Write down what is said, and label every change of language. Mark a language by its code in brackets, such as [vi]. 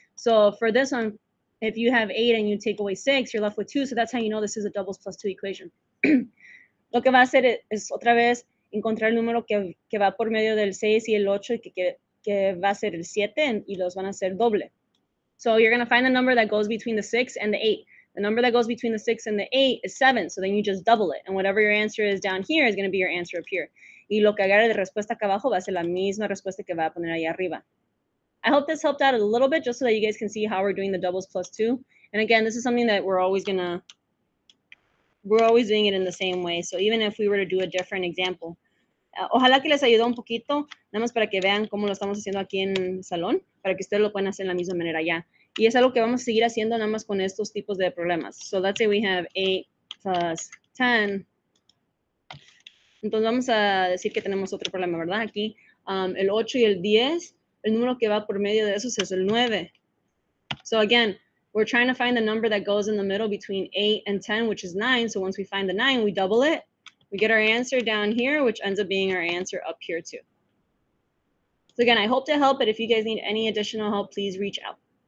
[en] So, for this one, if you have 8 and you take away 6, you're left with 2. So, that's how you know this is a doubles plus 2 equation. [es] Lo que va a hacer es otra vez encontrar el número que va por medio del 6 y el 8 y que va a ser el 7 y los van a hacer doble. [en] So you're going to find the number that goes between the 6 and the 8. The number that goes between the 6 and the 8 is 7, so then you just double it. And whatever your answer is down here is going to be your answer up here. [es] Y lo que agarre de respuesta acá abajo va a ser la misma respuesta que va a poner ahí arriba. [en] I hope this helped out a little bit just so that you guys can see how we're doing the doubles plus 2. And again, this is something that we're always doing it in the same way. So even if we were to do a different example. [es] Ojalá que les ayude un poquito, nada más para que vean cómo lo estamos haciendo aquí en el salón, para que ustedes lo puedan hacer de la misma manera ya. Y es algo que vamos a seguir haciendo nada más con estos tipos de problemas. [en] So let's say we have 8 plus 10. [es] Entonces vamos a decir que tenemos otro problema, ¿verdad? Aquí el 8 y el 10, el número que va por medio de esos es el 9. [en] So again, we're trying to find the number that goes in the middle between 8 and 10, which is 9. So once we find the 9, we double it. We get our answer down here, which ends up being our answer up here too. So again, I hope to help, but if you guys need any additional help, please reach out.